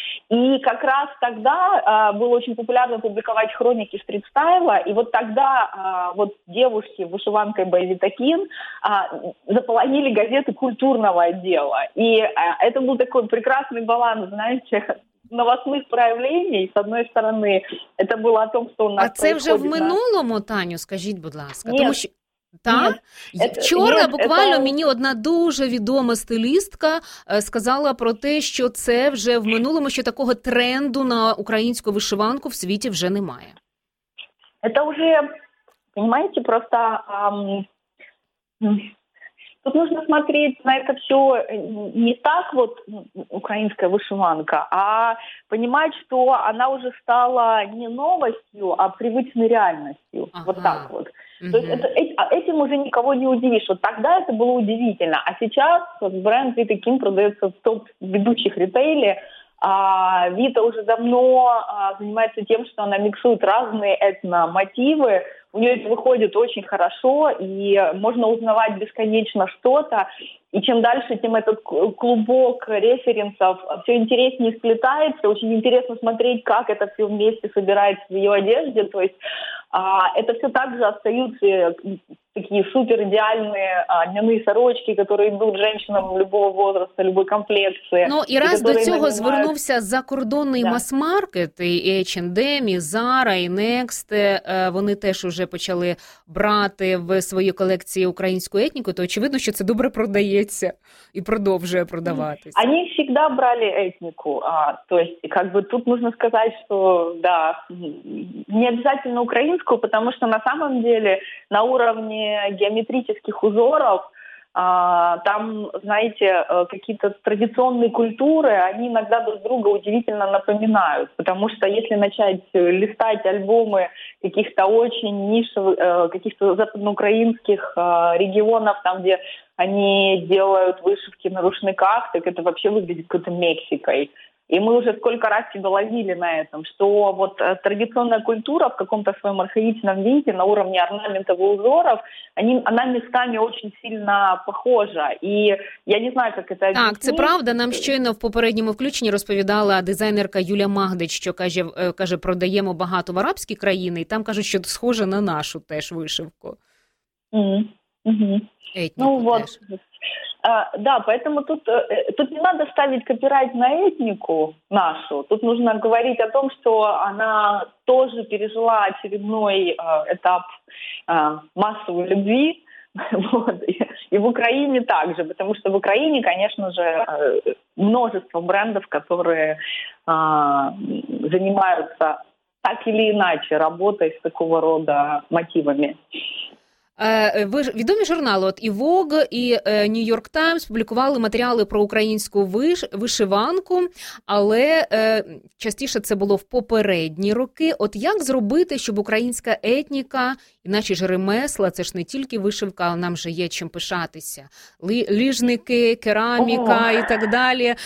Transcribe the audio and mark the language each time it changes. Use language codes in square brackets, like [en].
[ru] И как раз тогда было очень популярно публиковать хроники стрит-стайла, и вот тогда вот девушки в вышиванке by Витакин заполонили газеты культурного отдела. И это был такой прекрасный баланс, знаете, новостных проявлений, с одной стороны, это было о том, что у нас... [uk] А це вже в минулому, Таню, скажіть, будь ласка. [ru] Нет. [uk] Тому що... Так? Вчора буквально мені одна дуже відома стилістка сказала про те, що це вже в минулому, що такого тренду на українську вишиванку в світі вже немає. Це вже, розумієте, просто... [ru] Тут нужно смотреть на это все не так вот, украинская вышиванка, а понимать, что она уже стала не новостью, а привычной реальностью. Ага. Вот так вот. Угу. То есть этим уже никого не удивишь. Вот тогда это было удивительно. А сейчас бренд Витакин продается в топ ведущих ритейле. А Вита уже давно занимается тем, что она миксует разные этномотивы. У нее это выходит очень хорошо, и можно узнавать бесконечно что-то. И чем дальше, тем этот клубок референсов все интереснее сплетается. Очень интересно смотреть, как это все вместе собирается в ее одежде. То есть это все также остаются такие суперидеальные льняные сорочки, которые идут женщинам любого возраста, любой комплекции. [uk] Ну и раз до цього звернувся закордонний мас-маркет, і H&M, і Zara, і Next, вони теж уже почали брати в свої колекції українську етніку, то очевидно, що це добре продається і продовжує продаватися. Вони завжди брали етніку. Тобто, як би тут можна сказати, що да, не обов'язково українську, тому що [ru] на самом деле [uk] на уровні геометричних узорів [ru] там, знаете, какие-то традиционные культуры, они иногда друг друга удивительно напоминают, потому что если начать листать альбомы каких-то очень нишевых, каких-то западноукраинских регионов, там, где они делают вышивки на рушниках, так это вообще выглядит какой-то Мексикой. И мы уже сколько раз себя ловили на этом, что вот традиционная культура в каком-то своем архаичном виде на уровне орнаментов и узоров, она местами очень сильно похожа. И я не знаю, как это объяснить. [uk] Так, це правда. Нам щойно в попередньому включенні розповідала дизайнерка Юля Магдич, що каже, продаємо багато в арабські країни, і там кажуть, що схоже на нашу теж вишивку. Етніку теж. Вот. [ru] Да, поэтому тут не надо ставить копирайт на этнику нашу. Тут нужно говорить о том, что она тоже пережила очередной этап массовой любви. Вот. И в Украине также, потому что в Украине, конечно же, множество брендов, которые занимаются так или иначе работой с такого рода мотивами. [uk] Відомі журнали, от і Vogue, і New York Times публікували матеріали про українську вишиванку, але частіше це було в попередні роки. От як зробити, щоб українська етніка, наші ж ремесла, це ж не тільки вишивка, а нам же є чим пишатися, ліжники, кераміка і так далі.